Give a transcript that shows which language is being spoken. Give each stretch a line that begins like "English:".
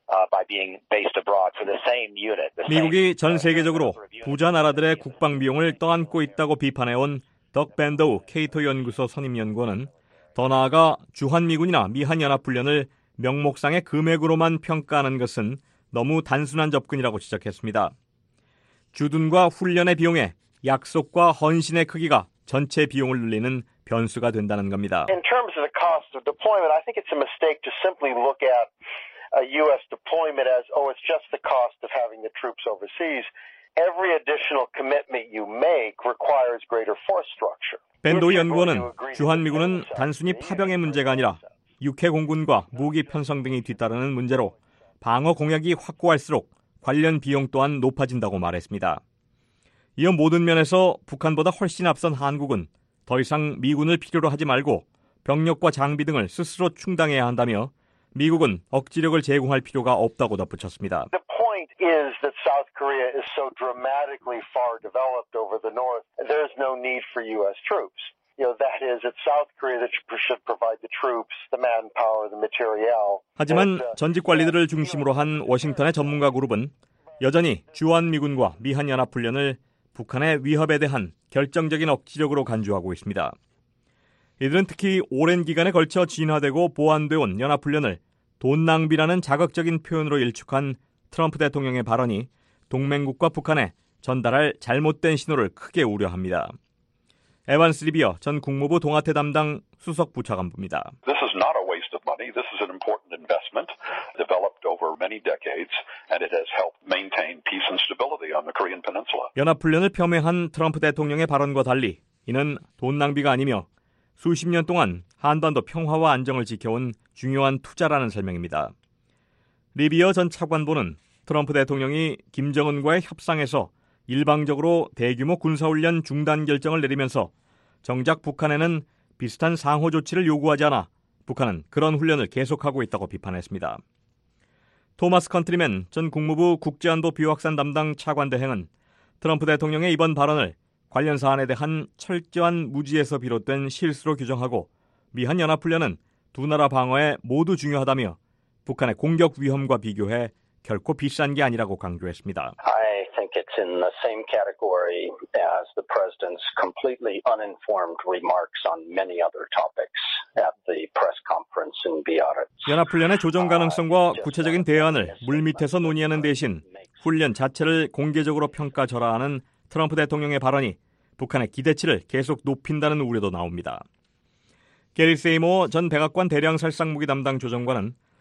English: By being based abroad for the same unit.
Korean: 미국이 전 세계적으로 부자 나라들의 국방 비용을 떠안고 있다고 비판해온 덕 밴더우 케이토 연구소 선임 연구원은 더 나아가 주한 미군이나 미한 연합 훈련을 명목상의 금액으로만 평가하는 것은 너무 단순한 접근이라고 지적했습니다. 주둔과 훈련의 비용에 약속과 헌신의 크기가 전체 비용을 늘리는 변수가 된다는 겁니다.
English: In terms of the cost of deployment, I think it's a mistake to simply look at a U.S. deployment as, oh, it's just the cost of having the troops overseas. Every additional commitment you make requires greater force structure.
Korean: 밴더우 연구원은 주한미군은 단순히 파병의 문제가 아니라 육해공군과 무기 편성 등이 뒤따르는 문제로 방어 공약이 확고할수록 관련 비용 또한 높아진다고 말했습니다. 이어 모든 면에서 북한보다 훨씬 앞선 한국은 더 이상 미군을 필요로 하지 말고 병력과 장비 등을 스스로 충당해야 한다며 미국은 억지력을 제공할 필요가 없다고 덧붙였습니다.
English: The point is that South Korea is so dramatically far developed over the North, there's no need for U.S. troops. You know, that is, it's South Korea that should provide the troops, the manpower, the material.
Korean: 하지만 전직 관리들을 중심으로 한 워싱턴의 전문가 그룹은 여전히 주한미군과 미한연합훈련을 북한의 위협에 대한 결정적인 억지력으로 간주하고 있습니다. 이들은 특히 오랜 기간에 걸쳐 진화되고 보완되어 온 연합훈련을 돈 낭비라는 자극적인 표현으로 일축한 트럼프 대통령의 발언이 동맹국과 북한에 전달할 잘못된 신호를 크게 우려합니다. 에반스 리비어 전 국무부 동아태 담당 수석 부차관부입니다.
English: This is not a waste of money. This is an important investment developed over many decades and it has helped maintain peace and stability on the Korean Peninsula.
Korean: 연합훈련을 폄훼한 트럼프 대통령의 발언과 달리 이는 돈 낭비가 아니며 수십 년 동안 한반도 평화와 안정을 지켜온 중요한 투자라는 설명입니다. 리비어 전 차관보는 트럼프 대통령이 김정은과의 협상에서 일방적으로 대규모 군사훈련 중단 결정을 내리면서 정작 북한에는 비슷한 상호 조치를 요구하지 않아 북한은 그런 훈련을 계속하고 있다고 비판했습니다. 토마스 컨트리맨 전 국무부 국제안보 비확산 담당 차관 대행은 트럼프 대통령의 이번 발언을 관련 사안에 대한 철저한 무지에서 비롯된 실수로 규정하고 미한 연합훈련은 두 나라 방어에 모두 중요하다며 북한의 공격 위험과 비교해 결코 비싼 게 아니라고 강조했습니다.
English: I think it's in the same category as the president's completely uninformed remarks on many other topics at the press conference in Biarritz.
Korean: 연합훈련의 조정 가능성과 구체적인 대안을 물밑에서 논의하는 대신 훈련 자체를 공개적으로 평가절하하는 트럼프 대통령의 발언이 북한의 기대치를 계속 높인다는 우려도 나옵니다. 게리 세이모 전 백악관 대량살상무기 담당 조정관은